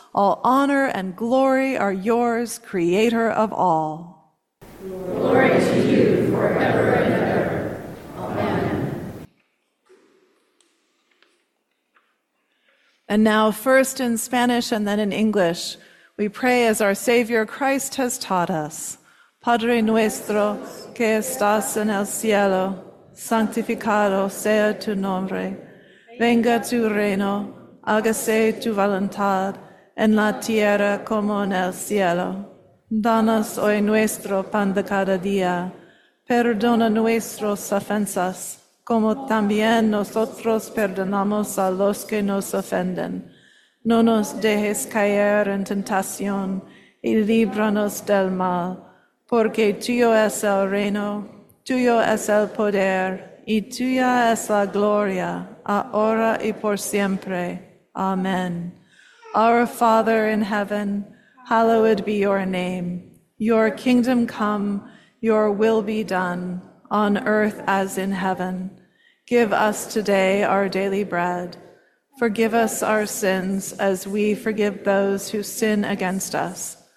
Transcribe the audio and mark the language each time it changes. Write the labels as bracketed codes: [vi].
[en] All honor and glory are yours, Creator of all. Glory to you forever and ever. Amen. And now, first in Spanish and then in English, we pray as our Savior Christ has taught us. [es] Padre nuestro, que estás en el cielo, santificado sea tu nombre. Venga tu reino, hágase tu voluntad, en la tierra como en el cielo. Danos hoy nuestro pan de cada día. Perdona nuestras ofensas, como también nosotros perdonamos a los que nos ofenden. No nos dejes caer en tentación, y líbranos del mal. Porque tuyo es el reino, tuyo es el poder, y tuya es la gloria, ahora y por siempre. Amen. [en] Our Father in heaven, hallowed be your name. Your kingdom come, your will be done, on earth as in heaven. Give us today our daily bread. Forgive us our sins as we forgive those who sin against us.